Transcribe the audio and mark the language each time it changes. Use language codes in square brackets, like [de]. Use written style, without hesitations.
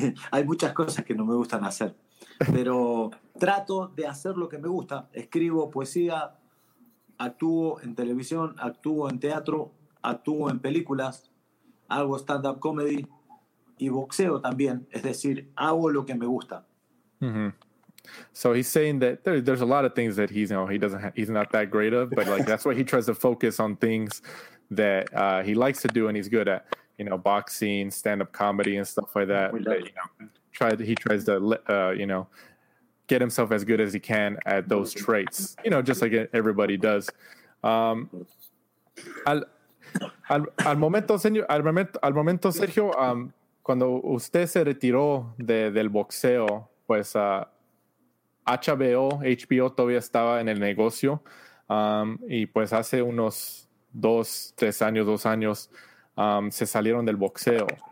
[es] Hay muchas cosas que no me gustan hacer, pero trato de hacer lo que me gusta. Escribo poesía, actúo en televisión, actúo en teatro, actúo en películas, hago stand-up comedy y boxeo también. Es decir, hago lo que me gusta. Mm-hmm. [en] So he's saying that there's a lot of things that he's not that great of, but like that's why he tries to focus on things that he likes to do and he's good at, you know, boxing, stand-up comedy and stuff like that. He tries to get himself as good as he can at those traits, you know, just like everybody does. [es] Al momento, Sergio, cuando usted se retiró del boxeo, pues HBO todavía estaba en el negocio, y pues hace unos dos años, se salieron del boxeo.